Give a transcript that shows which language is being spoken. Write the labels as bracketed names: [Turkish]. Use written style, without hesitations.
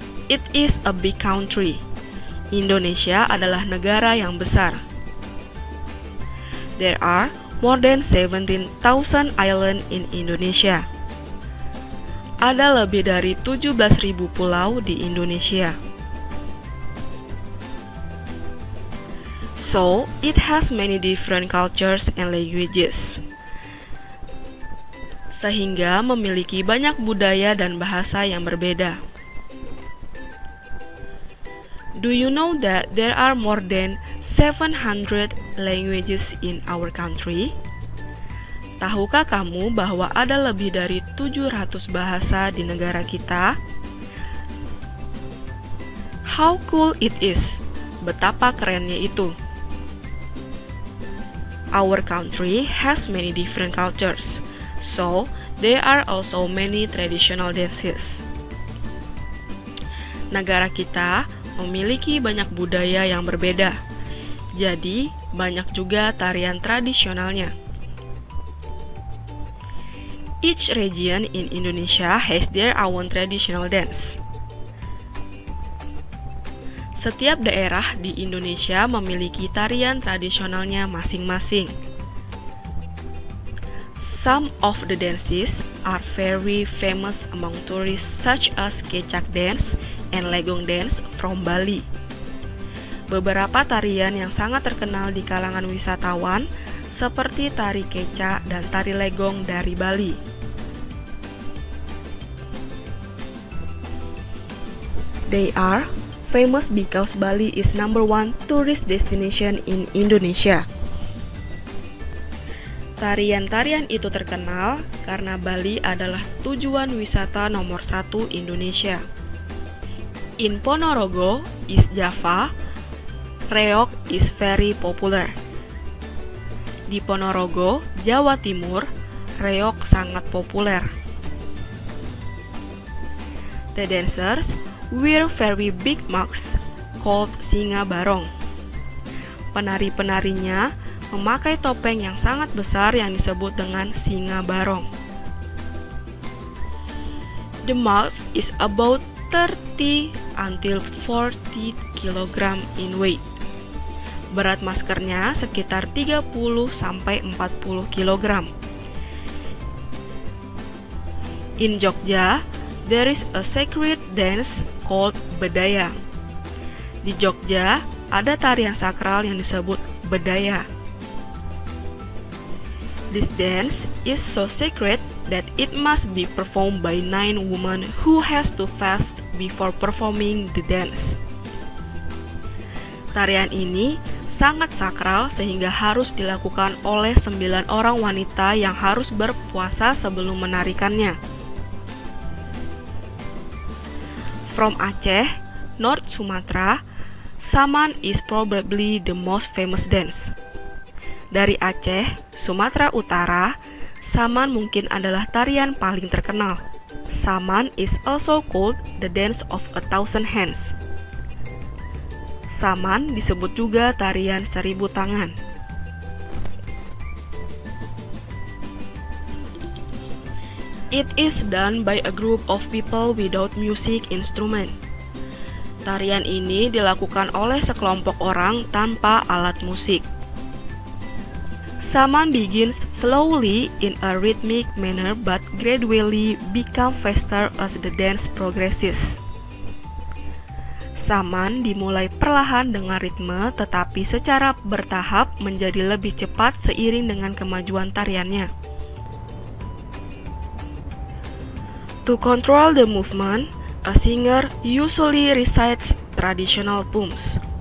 [English] It is a big country. [Indonesian] Indonesia adalah negara yang besar. [English] There are more than 17,000 islands in Indonesia. [Indonesian] Ada lebih dari 17.000 pulau di Indonesia. [English] So, it has many different cultures and languages. [Indonesian] Sehingga memiliki banyak budaya dan bahasa yang berbeda. [English] Do you know that there are more than 700 languages in our country? [Indonesian] Tahukah kamu bahwa ada lebih dari 700 bahasa di negara kita? [English] How cool it is! [Indonesian] Betapa kerennya itu! [English] Our country has many different cultures, so there are also many traditional dances. [Indonesian] Negara kita memiliki banyak budaya yang berbeda, jadi banyak juga tarian tradisionalnya. [English] Each region in Indonesia has their own traditional dance. [Indonesian] Setiap daerah di Indonesia memiliki tarian tradisionalnya masing-masing. [English] Some of the dances are very famous among tourists such as Kecak Dance and Legong Dance from Bali. [Indonesian] Beberapa tarian yang sangat terkenal di kalangan wisatawan seperti tari Kecak dan tari Legong dari Bali. [English] They are famous because Bali is number one tourist destination in Indonesia. [Indonesian] Tarian-tarian itu terkenal karena Bali adalah tujuan wisata nomor satu Indonesia. [English] In Ponorogo is Java, Reog is very popular. [Indonesian] Di Ponorogo, Jawa Timur, Reog sangat populer. [English] The dancers wear very big masks called Singa Barong. [Indonesian] Penari-penarinya memakai topeng yang sangat besar yang disebut dengan Singa Barong. [English] The mask is about 30 until 40 kg in weight. [Indonesian] Berat maskernya sekitar 30 sampai 40 kg. [English] In Jogja, there is a sacred dance called Bedayang. [Indonesian] Di Jogja, ada tarian sakral yang disebut Bedaya. [English] This dance is so sacred that it must be performed by 9 women who has to fast before performing the dance. [Indonesian] Tarian ini sangat sakral sehingga harus dilakukan oleh 9 orang wanita yang harus berpuasa sebelum menarikannya. [English] From Aceh, North Sumatra, Saman is probably the most famous dance. [Indonesian] Dari Aceh, Sumatera Utara, Saman mungkin adalah tarian paling terkenal. [English] Saman is also called the dance of a thousand hands. [Indonesian] Saman disebut juga tarian seribu tangan. [English] It is done by a group of people without music instrument. [Indonesian] Tarian ini dilakukan oleh sekelompok orang tanpa alat musik. [English] Saman begins slowly in a rhythmic manner but gradually become faster as the dance progresses. [Indonesian] Saman dimulai perlahan dengan ritme tetapi secara bertahap menjadi lebih cepat seiring dengan kemajuan tariannya. [English] To control the movement, a singer usually recites traditional poems.